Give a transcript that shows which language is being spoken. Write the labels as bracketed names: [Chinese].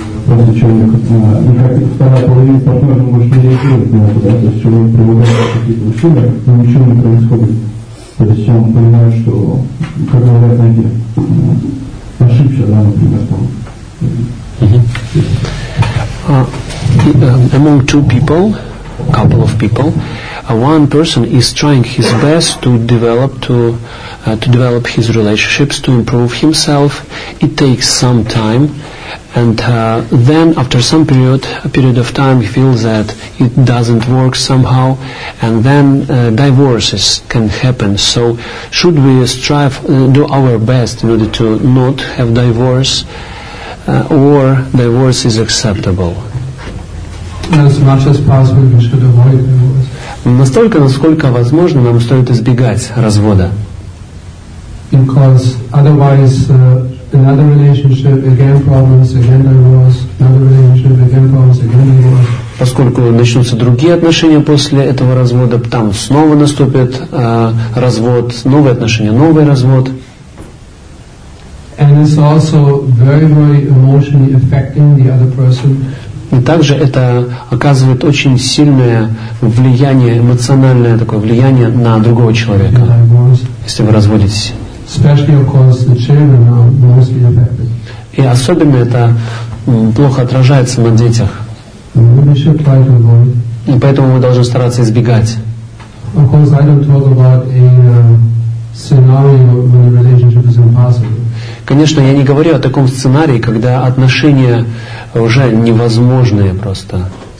[Russian] Просто человек, никак вторая половина партнера может не реагировать на это, да, то есть человек прилагает какие-то усилия, но ничего не происходит. То есть он понимает, что, как говорят, знаете, ошибся, да, например, там. [English] Among two people, couple of people, one person is trying his best to develop his relationships, to improve himself. It takes some time, and then after some period of time, he feels that it doesn't work somehow, and then divorces can happen. So, should we strive, do our best in order to not have divorce? Or divorce is acceptable. As much as possible, we should avoid divorce. [Russian] Настолько, насколько возможно, нам стоит избегать развода. [English] Because otherwise, another relationship, again problems, again divorce, another relationship, again problems, again divorce. [Russian] Поскольку начнутся другие отношения после этого развода, там снова наступит развод, новые отношения, новый развод. [English] And it's also very, very emotionally affecting the other person. [Russian] И также это оказывает очень сильное влияние, эмоциональное такое влияние на другого человека. Если вы разводитесь. [English] Especially, of course, the children are mostly affected. [Russian] И особенно это плохо отражается на детях. [English] We should try to avoid. [Russian] И поэтому мы должны стараться избегать. [English] Of course, I don't talk about a scenario when the relationship is impossible. [Russian] Конечно, я не говорю о таком сценарии, когда отношения уже невозможные просто.